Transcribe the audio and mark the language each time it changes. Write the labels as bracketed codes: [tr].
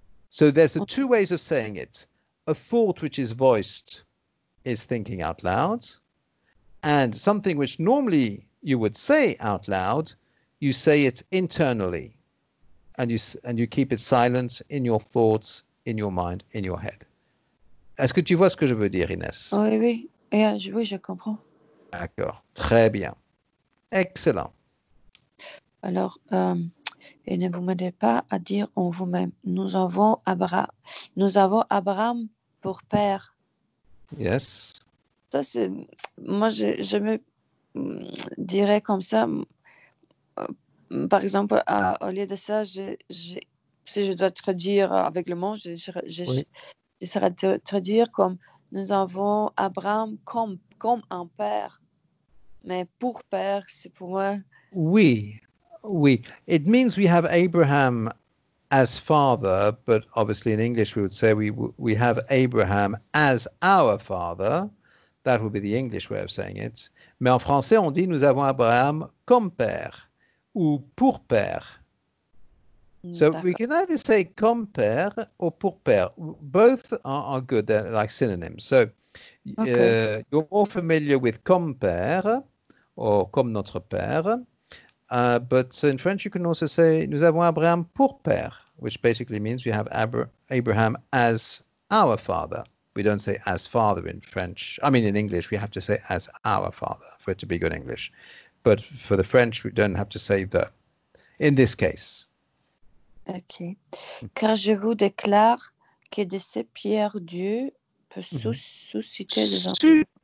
[en] So there's two ways of saying it. A thought which is voiced is thinking out loud. And something which normally you would say out loud, you say it internally. And you keep it silent in your thoughts, in your mind, in your head. [fr] Est-ce que tu vois ce que je veux dire, Inès? Oui, je comprends. D'accord. Très bien. Excellent. Alors, et ne vous m'aidez pas à dire en vous-même, nous avons Abraham pour père. [en] Yes. [fr] Ça, c'est, moi, je me dirais comme ça. Par exemple, au lieu de ça, si je dois traduire avec le mot, je serais de traduire comme nous avons Abraham comme un père. Mais pour père, c'est pour moi. Oui, oui. [en] It means we have Abraham as father, but obviously in English we would say we have Abraham as our father. That would be the English way of saying it. [fr] Mais en français, on dit nous avons Abraham comme père ou pour père. So d'accord. [en] We can either say [fr] comme père [en] or [fr] pour père. [en] Both are good, they're like synonyms. So okay. You're more familiar with [fr] comme père [en] or [fr] comme notre père. [en] But in French, you can also say [fr] nous avons Abraham pour père, [en] which basically means we have Abraham as our father. We don't say as father in French. I mean, in English, we have to say as our father for it to be good English. But for the French, we don't have to say the, in this case. Ok. [fr] Car je vous déclare que de ces pierres, Dieu peut susciter des enfants.